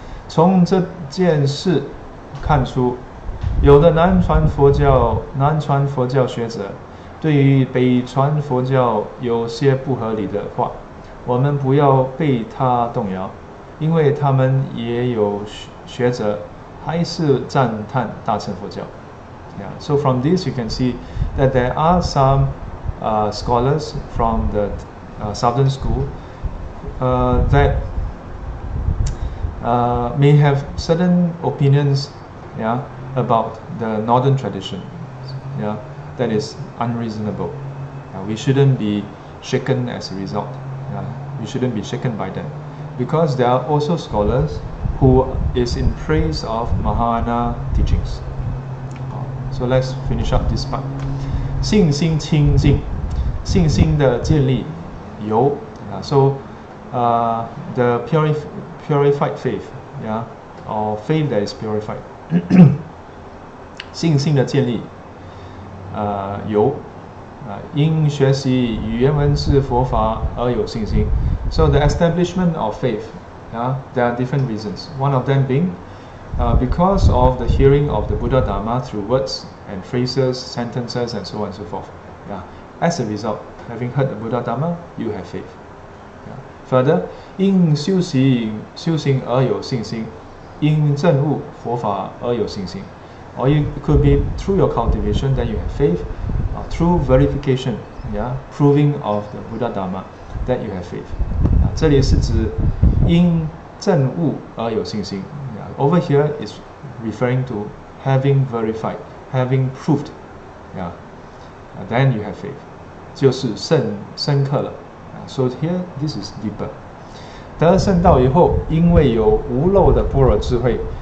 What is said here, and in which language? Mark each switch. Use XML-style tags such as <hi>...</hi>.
<zh>从这件事看出, 有的南传佛教学者对于北传佛教有些不合理的话, 我们不要被他动摇, 因为他们也有学者还是赞叹大乘佛教.</zh> <en>Yeah, so from this you can see that there are some scholars from the Southern School that may have certain opinions, yeah, about the Northern tradition, yeah, that is unreasonable. Yeah, we shouldn't be shaken as a result. Yeah, we shouldn't be shaken by them, because there are also scholars who is in praise of Mahayana teachings. So let's finish up this part.</en> <zh>信心清净, 信心的建立有,</zh> <en>so the purified faith, yeah, or faith that is purified.</en> <zh>信心的建立有, 因学习语言文字佛法而有信心.</zh> <en>So the establishment of faith, yeah, there are different reasons. One of them being because of the hearing of the Buddha Dharma through words and phrases, sentences, and so on and so forth. Yeah. As a result, having heard the Buddha Dharma, you have faith.</en> <zh>Further, 因修行而有信心, 因证悟佛法而有信心.</zh> <en>Or you could be through your cultivation that you have faith, through verification, proving of the Buddha Dharma that you have faith.</en> <zh>这里是指因证悟而有信心.</zh> <en>Over here is referring to having verified, having proved, then you have faith.</en> <zh>就是深刻了.</zh> <en>So here, this is deeper.</en> <zh>得圣道以后，因为有无漏的般若智慧。</zh>